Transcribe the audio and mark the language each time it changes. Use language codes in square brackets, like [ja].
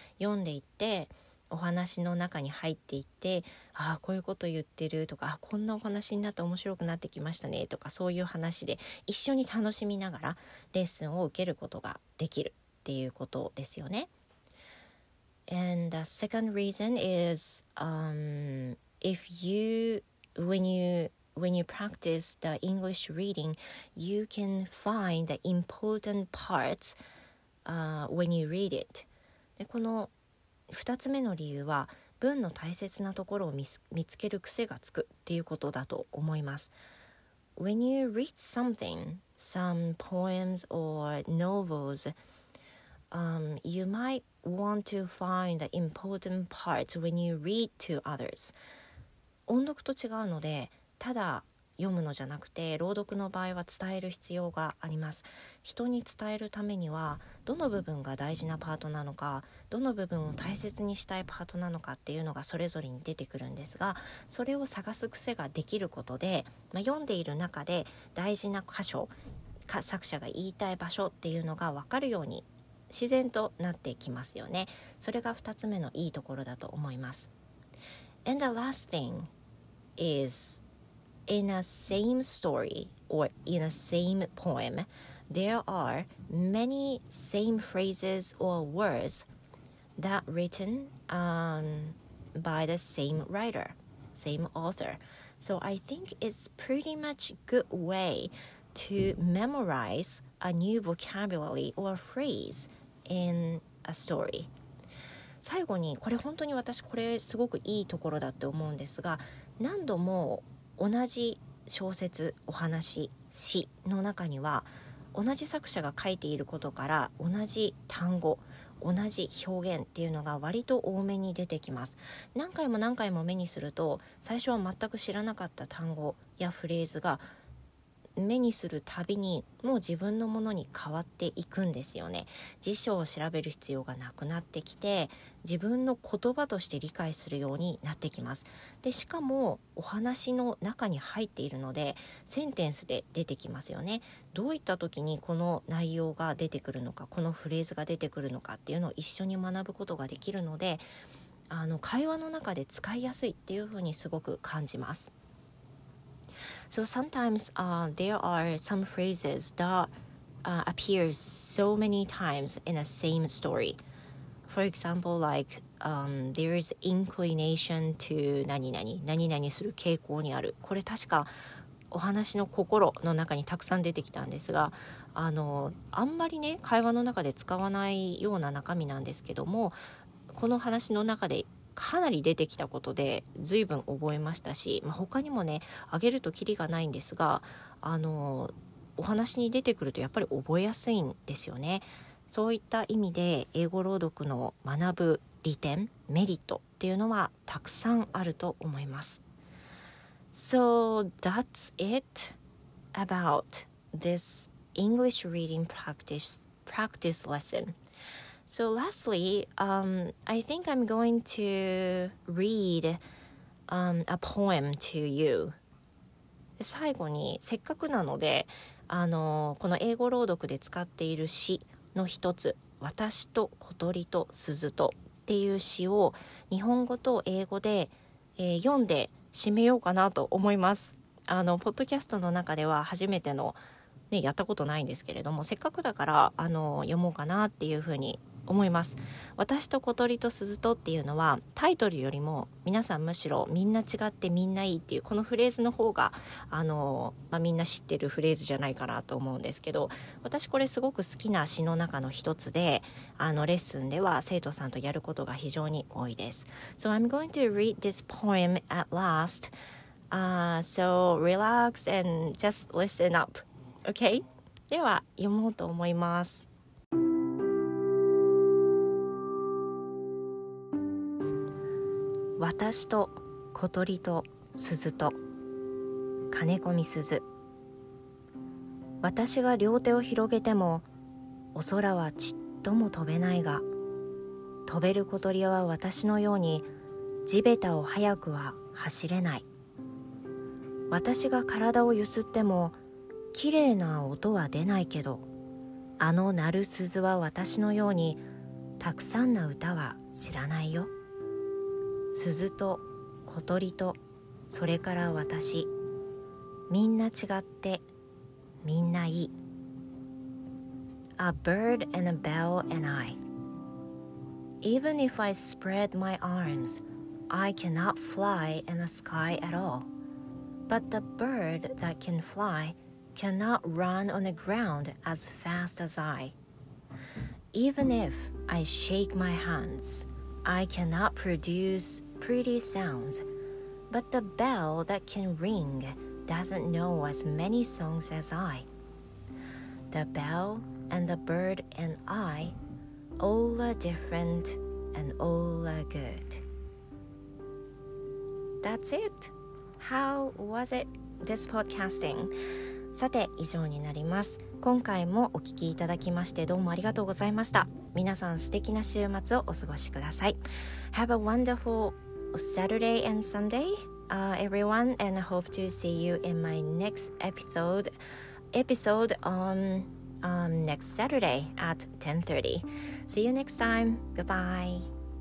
[ja] 読んでいって、お話の中に入っていって、ああこういうこと言ってるとか、こんなお話になって面白くなってきましたねとか、そういう話で一緒に楽しみながらレッスンを受けることができるっていうことですよね。 [en] And the second reason is when you practice the English reading, you can find the important parts when you read it. [ja] で、この2つ目の理由は文の大切なところを見つける癖がつくっていうことだと思います。 [en] When you read something, some poems or novels, you might want to find the important parts when you read to others. [ja] 音読と違うのでただ読むのじゃなくて朗読の場合は伝える必要があります。人に伝えるためにはどの部分が大事なパートなのか、どの部分を大切にしたいパートなのかっていうのがそれぞれに出てくるんですが、それを探す癖ができることで、まあ、読んでいる中で大事な箇所か作者が言いたい場所っていうのが分かるように自然となってきますよね。それが2つ目のいいところだと思います。 [en] And the last thing isIn a same story or in a same poem, there are many same phrases or words that written by the same writer, same author. So I think it's pretty much good way to memorize a new vocabulary or phrase in a story. [ja] 最後にこれ本当に私これすごくいいところだって思うんですが、何度も同じ小説、お話、詩の中には同じ作者が書いていることから同じ単語、同じ表現っていうのが割と多めに出てきます。何回も何回も目にすると最初は全く知らなかった単語やフレーズが目にするたびにもう自分のものに変わっていくんですよね。辞書を調べる必要がなくなってきて、自分の言葉として理解するようになってきます。でしかもお話の中に入っているのでセンテンスで出てきますよね。どういった時にこの内容が出てくるのか、このフレーズが出てくるのかっていうのを一緒に学ぶことができるので、会話の中で使いやすいっていうふうにすごく感じます。 [en] So sometimes there are some phrases that appears so many times in the same story. For example, like there is inclination to [ja] 何々、何々する傾向にある。これ確かお話の心の中にたくさん出てきたんですが、あんまりね、会話の中で使わないような中身なんですけども、この話の中でかなり出てきたことで随分覚えましたし、まあ、他にもね挙げるとキリがないんですが、お話に出てくるとやっぱり覚えやすいんですよね。そういった意味で英語朗読の学ぶ利点、メリットっていうのはたくさんあると思います。 [en] So that's it about this English reading practice lessonSo lastly, I think I'm going to read a poem to you. [ja] 最後にせっかくなので、この英語朗読で使っている詩の一つ、私と小鳥と鈴とっていう詩を日本語と英語で、読んで締めようかなと思います。ポッドキャストの中では初めての、ね、やったことないんですけれども、せっかくだから読もうかなっていうふうに思います。私と小鳥と鈴とっていうのはタイトルよりも皆さんむしろみんな違ってみんないいっていうこのフレーズの方がみんな知ってるフレーズじゃないかなと思うんですけど、私これすごく好きな詩の中の一つで、レッスンでは生徒さんとやることが非常に多いです。 [en] So I'm going to read this poem at last. So relax and just listen up. Okay? [ja] では読もうと思います。私と小鳥と鈴と金込み鈴。私が両手を広げてもお空はちっとも飛べないが、飛べる小鳥は私のように地べたを早くは走れない。私が体をゆすってもきれいな音は出ないけど、あの鳴る鈴は私のようにたくさんな歌は知らないよ。鈴と小鳥とそれから私、みんな違ってみんないい。 [en] A bird and a bell and I. Even if I spread my arms, I cannot fly in the sky at all. But the bird that can fly cannot run on the ground as fast as I. Even if I shake my hands, I cannot producePretty sounds, but the bell that can ring doesn't know as many songs as I. The bell and the bird and I, all are different and all are good. That's it. How was it, this podcasting? [ja] さて、以上になります。今回もお聞きいただきましてどうもありがとうございました。皆さん素敵な週末をお過ごしください。 [en] Have a wonderful Saturday and Sunday, everyone, and I hope to see you in my next episode on next Saturday at 10:30. See you next time. Goodbye.